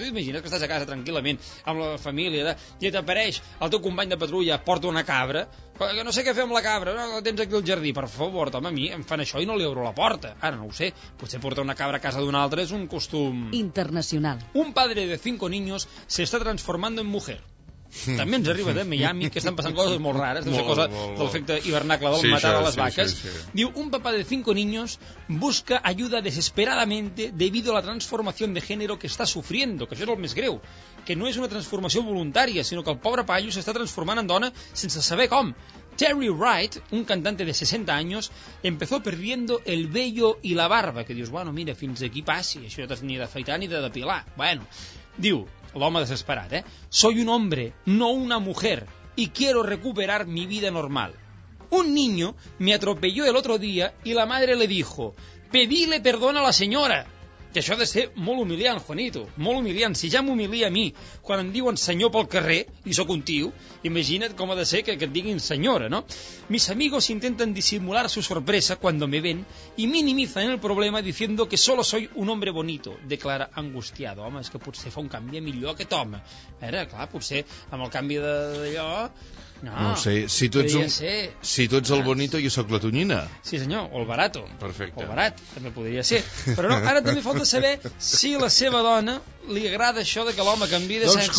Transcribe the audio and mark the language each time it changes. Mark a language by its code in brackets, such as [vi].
[ca] Tu t'imagines que estàs a casa tranquil·lament amb la família i t'apareix el teu company de patrulla, porta una cabra, que no sé què fer amb la cabra, no, la tens aquí al jardí, per favor, home, a mi em fan això i no li obro la porta. Ara no ho sé, potser portar una cabra a casa d'un altre és un costum... internacional. [es] Un padre de 5 niños se está transformando en mujer. [ca] També ens arriba de Miami, que estan passant coses molt rares, d'una cosa de l'efecte hivernacle del matar a les vaques. Sí. Diu, [es] un papà de 5 niños busca ayuda desesperadamente debido a la transformación de género que está sufriendo, [ca] que això és el més greu, que no és una transformació voluntària, sinó que el pobre paio s'està transformant en dona sense saber com. Terry Wright, [es] un cantante de 60 años, empezó perdiendo el vello y la barba, [ca] que dius, bueno, mira, fins aquí passi, això no t'has ni d'afeitar ni de depilar. Bueno, diu... l'home desesperat, eh? [es] Soy un hombre, no una mujer, y quiero recuperar mi vida normal. Un niño me atropelló el otro día y la madre le dijo, pedile perdón a la señora. [ca] Que això ha de ser molt humiliant, Juanito, molt humiliant. Si ja m'humilia a mi quan em diuen senyor pel carrer i sóc un tio, imagina't com ha de ser que et diguin senyora, no? [es] Mis amigos intentan disimular su sorpresa cuando me ven y minimizan el problema diciendo que solo soy un hombre bonito, declara angustiado. [ca] Home, és que potser fa un canvi millor aquest home. A veure, clar, potser amb el canvi d'allò... No, no sé, si tu ets un, si tu ets el bonito, jo sóc la tonyina. Sí, senyor, o el barato. Perfecte. O el barat, també podria ser. Però no, ara també falta saber si la seva dona li agrada això de que l'home canviï de sexe.